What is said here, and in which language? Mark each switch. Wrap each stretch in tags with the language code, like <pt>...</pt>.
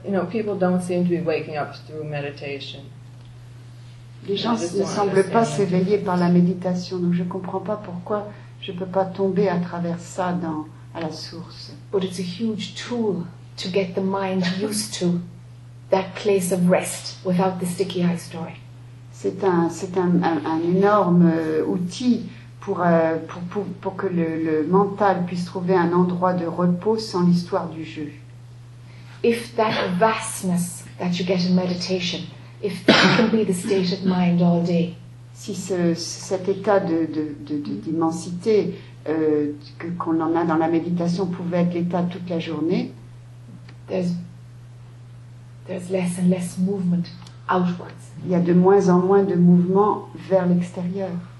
<en>people don't seem to be waking up through meditation.</en> <fr>Les gens ne semblent pas s'éveiller par la méditation, donc je ne comprends pas pourquoi je ne peux pas tomber à travers ça à la source.</fr> <en>But it's a huge tool to get the mind used to that place of rest without the sticky eye story.</en> <fr>C'est un énorme outil pour que le mental puisse trouver un endroit de repos sans l'histoire du jeu.</fr> <en>If that vastness that you get in meditation, if that can be the state of mind all day.</en> <fr>si ce, cet état de d'immensité que, qu'on en a dans la méditation pouvait être l'état toute la journée,</fr> <en>there's less and less movement outwards.</en> <fr>Il y a de moins en moins de mouvement vers l'extérieur.</fr>